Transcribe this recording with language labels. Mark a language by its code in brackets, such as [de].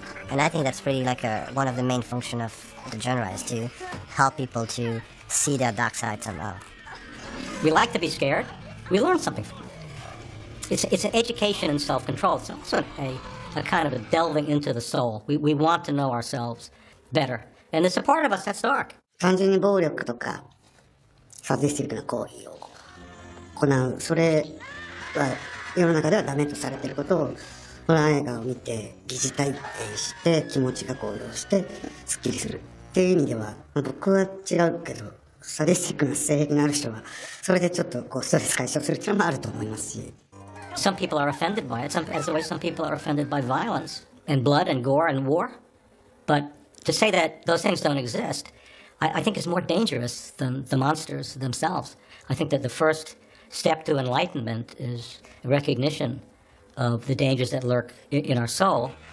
[en] And I think that's really one of the main functions of the genre, is to help people to see their dark side somehow. We like to be scared. We learn something from it. It's an education in self-control. It's also a kind of a delving into the soul. We want to know ourselves better. And it's a part of us that's dark. [ja] 単純に暴力とか、サディスティックな行為を行う。それは世の中ではダメとされていることを、ホラー映画を見て疑似体験して気持ちが高揚してスッキリするっていう意味では、僕は違うけど、サディスティックな性癖のある人は、それでちょっとこうストレス解消するっていうのもあると思いますし。 [en] Some people are offended by it. As always, some people are offended by violence and blood and gore and war. But to say that those things don't exist, I think is more dangerous than the monsters themselves. I think that the first step to enlightenment is recognition of the dangers that lurk in our soul.